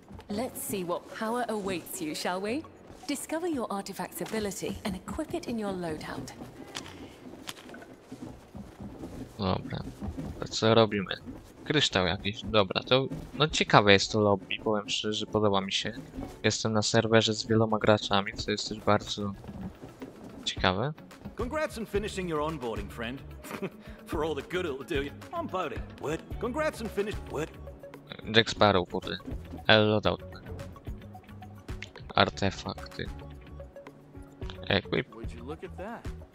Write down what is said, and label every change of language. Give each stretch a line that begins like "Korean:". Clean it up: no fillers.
English: Let's see what power awaits you, shall we? Discover your artifact's ability and equip it in your loadout.
Polish: Dobra, to co robimy? Kryształ jakiś, dobra, to no ciekawe jest to lobby, powiem szczerze, podoba mi się. Jestem na serwerze z wieloma graczami, co jest też bardzo ciekawe.
English: Congrats on finishing your onboarding, friend. For all the good it'll do you. I'm voting. Word. Congrats on finish. Word. Jack Sparrow, kurde. El loadout. Artefakty. Equip. Would you look at that?